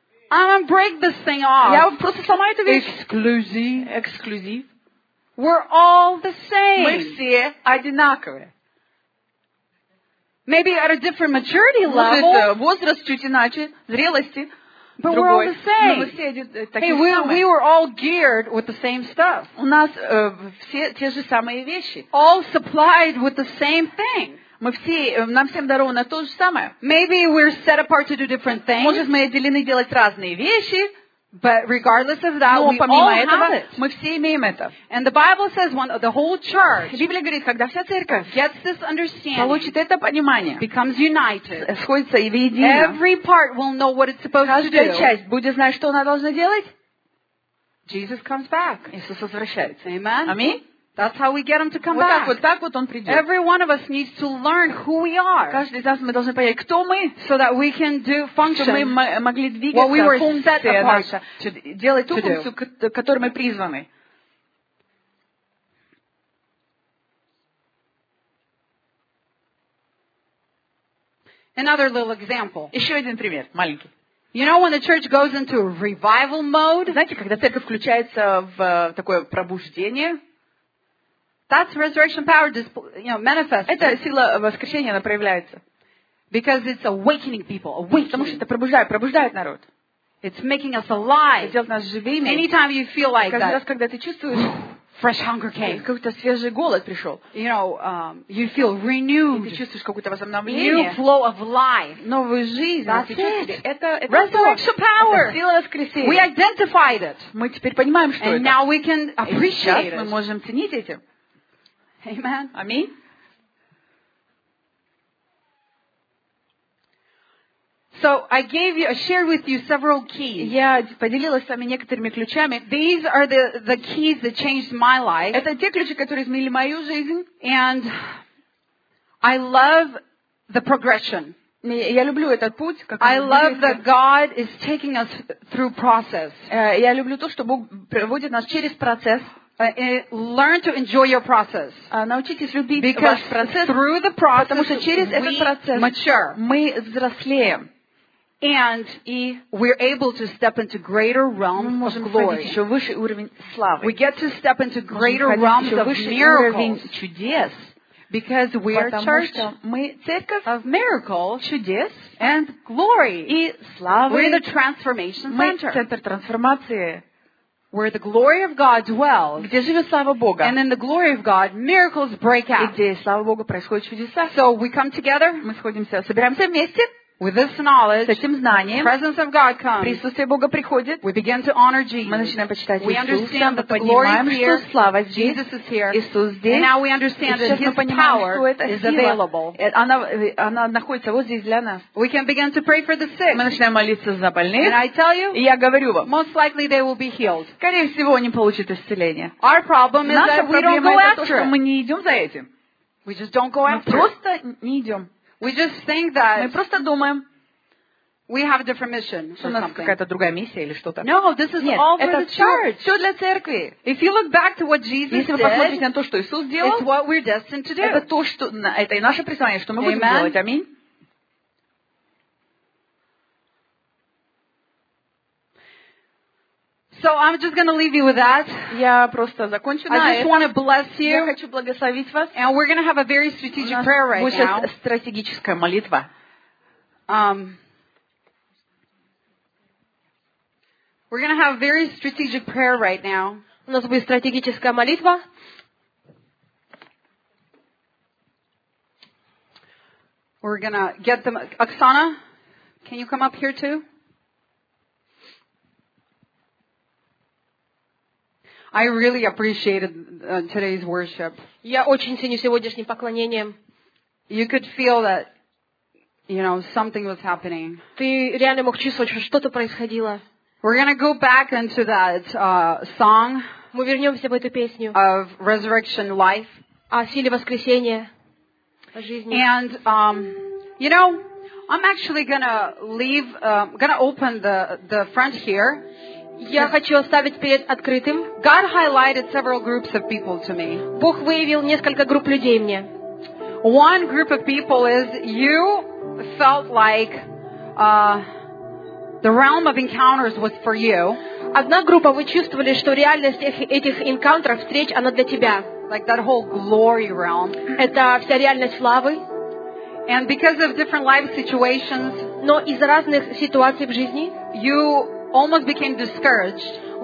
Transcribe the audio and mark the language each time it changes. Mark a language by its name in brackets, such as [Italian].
[English] I'm gonna break this thing off. [Russian] Я просто сама это вижу. [English] Эксклюзив. We're all the same. [Russian] Мы все одинаковы. [English] Maybe at a different maturity level. [Russian] Может, возраст чуть иначе, зрелости. [English] But [Russian] другой. [English] We're all the same. [Russian] Но мы все такие [English] hey, we were all geared with the same stuff. [Russian] У нас все те же самые вещи. [English] All supplied with the same thing. [Russian] Мы все, нам всем даровано то же самое. [English] Maybe we're set apart to do different things. [Russian] Может, мы отделены делать разные вещи. [English] But regardless of that, [Russian] но, [English] we [Russian] помимо [English] all [Russian] этого, [English] have it. [Russian] Мы все имеем это. [English] And the Bible says when the whole church, [Russian] Библия говорит, когда вся церковь [English] gets this understanding, [Russian] получит это понимание, [English] becomes united, [Russian] сходится и воедино, [English] every part will know what it's supposed to do. [Russian] Каждая часть будет знать, что она должна делать. [English] Jesus comes back. [Russian] Иисус возвращается. [English] Amen. [Russian] Аминь. [English] That's how we get him to come back. [Russian] Вот так вот он придет. [English] Every one of us needs to learn who we are. [Russian] Каждый из нас мы должны понять, кто мы, [English] so that we can do function. [Russian] Чтобы мы могли двигаться, [English] what we were set apart to [Russian] делать ту функцию, к которой мы призваны. [English] Another little example. [Russian] Еще один пример, маленький. [English] You know when the church goes into revival mode? [Russian] Знаете, когда церковь включается в такое пробуждение? [English] That's resurrection power, you know, manifests. [Russian] Это сила воскрешения, она проявляется. [English] Because it's awakening people, awakening. [Russian] Потому что это пробуждает народ. [English] It's making us alive. [Russian] Делает нас живыми. [English] Anytime you feel like [Russian] каждый [English] that. [Russian] Каждый раз, когда ты чувствуешь, [English] Fresh hunger came. [Russian] Какой-то свежий голод пришел. [English] You know, you feel renewed. [Russian] И ты чувствуешь какое-то возобновление. [English] New flow of life. [Russian] Новую жизнь. [English] That's it. [Russian] Это [English] resurrection power. [Russian] Это сила воскресения. [English] We identified it. [Russian] Мы теперь понимаем, что [English] And And now we can appreciate it. [Russian] Мы можем ценить этим. [English] Amen. [Russian] Аминь. [English] So I gave you, I shared with you several keys. [Russian] Я поделилась с вами некоторыми ключами. [English] These are the keys that changed my life. [Russian] Это те ключи, которые изменили мою жизнь. [English] And I love the progression. [Russian] Я люблю этот путь, как [English] I love that God is taking us through process. [Russian] Я люблю то, что Бог проводит нас через процесс. [English] Learn to enjoy your process. [Russian] Научитесь любить [English] Because [Russian] ваш процесс. [English] Through the process, [Russian] потому что через [English] we [Russian] этот процесс [English] mature. [Russian] Мы взрослеем. [English] And we're able to step into greater realms of glory. [Russian] Еще выше уровень славы. [English] We get to step into greater realms of miracles. [Russian] Чудес. [English] Because we are church of miracles, [Russian] чудес, [English] and glory. [Russian] И славы. [English] We're the transformation center. [Russian] Мы центр трансформации. [English] Where the glory of God dwells. [Russian] Где живет слава Бога. [English] And in the glory of God, miracles break out. [Russian] И где слава Бога происходят чудеса. [English] So we come together. [Russian] Мы сходимся, собираемся вместе. [English] With this knowledge, [Russian] с этим знанием, [English] the presence of God comes. [Russian] Присутствие Бога приходит. [English] We begin to honor Jesus. [Russian] Мы начинаем почитать Иисуса. [English] We understand that the glory is here. [Russian] Что слава здесь. [English] Jesus is here. [Russian] Иисус здесь. [English] And now we understand that His power is available. [Russian] Она находится вот здесь для нас. [English] We can begin to pray for the sick. [Russian] Мы начинаем молиться за больных. [English] And I tell you, [Russian] и я говорю вам, [English] most likely they will be healed. [Russian] Скорее всего, они получат исцеление. [English] Our problem is that we don't go after. [Russian] Наша проблема это то, что мы не идем за этим. [English] We just don't go after. [Russian] Мы просто не идем. [English] We just think that [Russian] мы просто думаем, [English] we have a different mission. [Russian] У нас какая-то другая миссия или что-то. [English] No, this is [Russian] Нет, [English] all for the church. [Russian] Все для церкви. [English] If you look back to what Jesus [Russian] Если вы посмотрите на то, что Иисус сделал, [English] it's what we're destined to do. [Russian] Это то, что это и наше призвание, что мы будем [English] Amen. [Russian] Делать. Аминь. [English] So I'm just going to leave you with that. [Russian] Я просто закончу на [English] I just want to bless you. [Russian] Я хочу благословить вас. [English] And we're going to have a very strategic prayer right now. [Russian] У нас будет стратегическая молитва. [English] We're going to have a very strategic prayer right now. [Russian] У нас будет стратегическая молитва. [English] We're going to get them. Оксана, can you come up here too? I really appreciated today's worship. [Russian] Я очень ценю сегодняшнее поклонение. [English] You could feel that, you know, something was happening. [Russian] Ты реально мог чувствовать, что что-то происходило. [English] We're gonna go back into that song. [Russian] Мы вернемся в эту песню. [English] Of resurrection life. [Russian] О силе воскресения, о жизни. [English] And you know, I'm actually gonna leave, gonna open the front here. [Russian] Я хочу оставить перед открытым. [English] God highlighted several groups of people to me. [Russian] Бог выявил несколько групп людей мне. [English] One group of people is you felt like the realm of encounters was for you. [Russian] Одна группа вы чувствовали, что реальность этих encounters, встреч, она для тебя. [English] Like that whole glory realm. [Russian] Это вся реальность славы. [English] And because of different life situations. [Russian] Но из-за разных ситуаций в жизни. [English] You almost became discouraged.